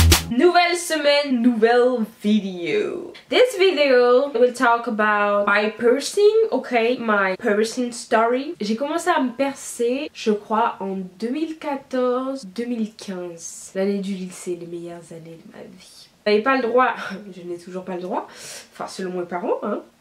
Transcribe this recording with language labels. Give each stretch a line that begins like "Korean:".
French: Nouvelle semaine, nouvelle vidéo.
English: This video will talk about my piercing, okay? My piercing story.
French: J'ai commencé à me percer, je crois, en 2014-2015. L'année du lycée, les meilleures années de ma vie. J'avais pas le droit, je n'ai toujours pas le droit, enfin selon mes parents, hein.